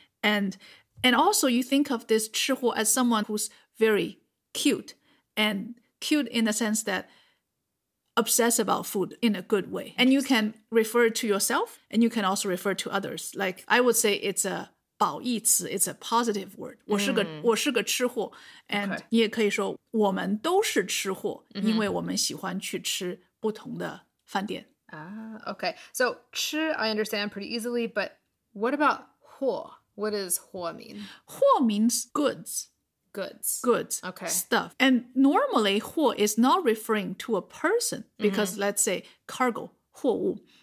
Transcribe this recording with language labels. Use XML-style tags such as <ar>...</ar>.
<en>And also you think of this 吃货 as someone who's very cute and cute in the sense that obsess about food in a good way. And you can refer to yourself and you can also refer to others. Like, I would say it's a 褒义词, it's a positive word.</en> <zh>我是个吃货.</zh> <en>And</en> <zh>你也可以说我们都是吃货, 因为我们喜欢去吃不同的饭店.</zh> <en>Okay. So 吃, I understand pretty easily, but what about 货? What does 货 mean? 货 means goods. Goods. Okay. Stuff. And normally, 货 is not referring to a person because, let's say, cargo, 货物,</en>